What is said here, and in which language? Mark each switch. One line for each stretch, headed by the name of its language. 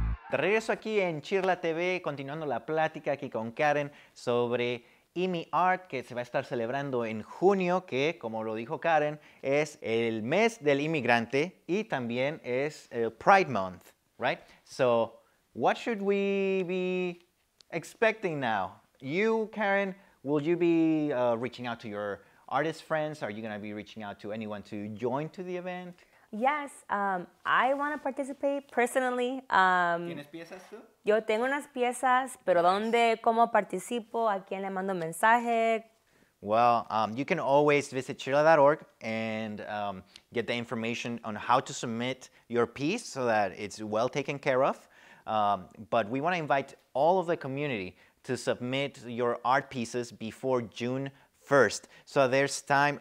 Spanish: De regreso aquí en CHIRLA TV, continuando la plática aquí con Karen sobre Immi'Art, que se va a estar celebrando en junio, que, como lo dijo Karen, es el mes del inmigrante y también es el Pride Month,
English: right? So, what should we be expecting now? You, Karen, will you be reaching out to your artist friends? Are you going to be reaching out to anyone to join to the event? Yes, I want to participate personally.
Spanish: ¿Tienes piezas tú? Yo tengo unas piezas, pero ¿dónde, cómo participo? ¿A quién le mando mensaje?
English: Well, you can always visit CHIRLA.org and get the information on how to submit your piece so that it's well taken care of. But we want to invite all of the community to submit your art pieces before June 1st. So there's time.